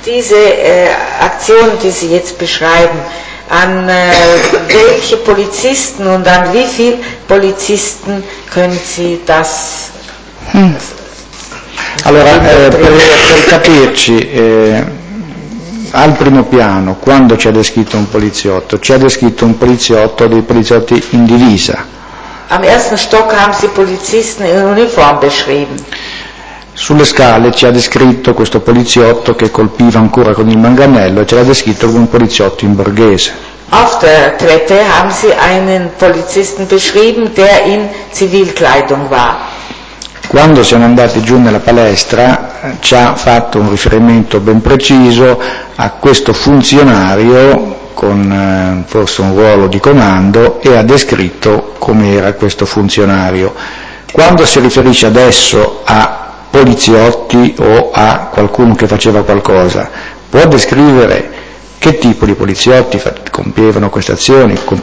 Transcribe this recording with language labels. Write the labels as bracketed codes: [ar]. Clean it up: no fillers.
[de] Diese Aktion, die Sie jetzt beschreiben, an welche Polizisten und an wie viel Polizisten können Sie das? [it] Allora, per capirci, al primo piano, quando ci ha descritto un poliziotto? Ci ha descritto un poliziotto, dei poliziotti in divisa. [de] Am ersten Stock haben Sie Polizisten in Uniform beschrieben. [it] Sulle scale ci ha descritto questo poliziotto che colpiva ancora con il manganello e ce l'ha descritto come un poliziotto in borghese. [de] Auf der Treppe haben Sie einen Polizisten beschrieben, der in Zivilkleidung war. [it] Quando siamo andati giù nella palestra, ci ha fatto un riferimento ben preciso a questo funzionario con forse un ruolo di comando e ha descritto com'era questo funzionario. Quando si riferisce adesso a poliziotti o a qualcuno che faceva qualcosa, può descrivere che tipo di poliziotti compievano questa azione?